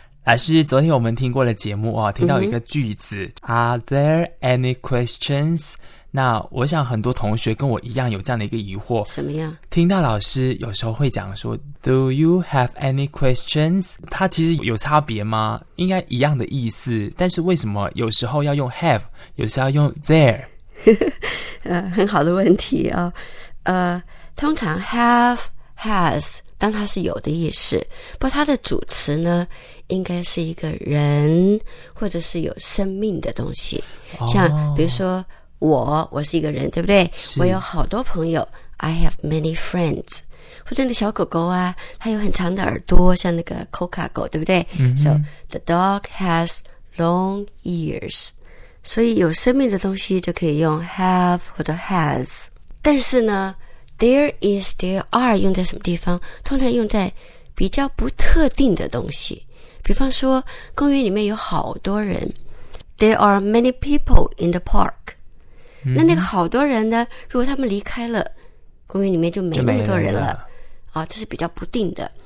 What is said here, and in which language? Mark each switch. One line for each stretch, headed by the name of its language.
Chinese: 老师，昨天我们听过了节目啊，听到一个句子、
English: Are there any questions?
Chinese: 那我想很多同学跟我一样有这样的一个疑惑。什么样？听到老师有时候会讲说
English: Do you have any questions?
Chinese: 它其实有差别吗？应该一样的意思，但是为什么有时候要用 have， 有时候要用 there？很好的问题啊、哦。通常 have、has 当它是有的意思，不过它的主词呢应该是一个人或者是有生命的东西，像比如说我是一个人，对不对？我有好多朋友
English: I have many friends，
Chinese: 或者那个小狗狗啊它有很长的耳朵，像那个 Coca 狗，对不对？
English: So the dog has long ears，
Chinese: 所以有生命的东西就可以用 have 或者 has。但是呢 there is there are 用在什么地方，通常用在比较不特定的东西，比方说公园里面有好多人，
English: There are many people in the park、
Chinese: 那个好多人呢，如果他们离开了公园里面就没那么多人 了啊，这是比较不定的。